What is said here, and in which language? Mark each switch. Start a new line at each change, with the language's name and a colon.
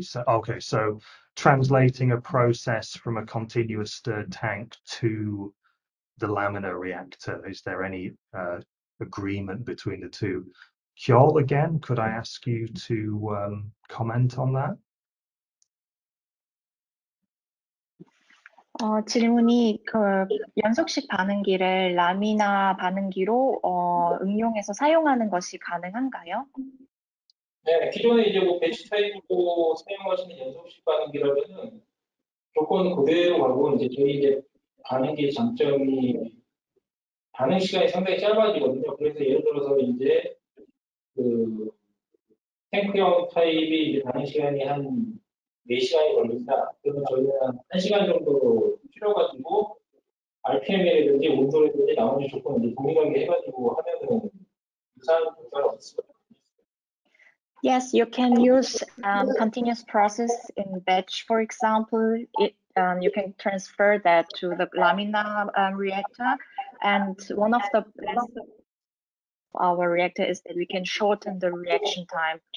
English: So okay, so translating a process from a continuous stirred tank to the laminar reactor, is there any agreement between the two? Kjol, again, could I ask you to comment on that?
Korean: 질문이 연속식 반응기를 라미나 반응기로 응용해서 사용하는 것이 가능한가요? 네, 기존에 이제 뭐 배치 타입으로 사용하시는 연속식 반응기라면은 조건 그대로 가고 이제 저희 이제 반응기의 장점이 반응 시간이 상당히 짧아지거든요. 그래서 예를 들어서 이제 그 탱크형 타입이 이제 반응 시간이 한 4시간이 걸린다. 그러면 저희는 1시간 정도 줄여가지고 RPM이라든지 온도라든지 나머지 조건 이제 동일하게 해가지고 하면은 유사한 효과가 없을 것 같아요.
English: Yes, you can use continuous process in batch, for example. You can transfer that to the Laminar reactor. And one of the best of our reactor is that we can shorten the reaction time.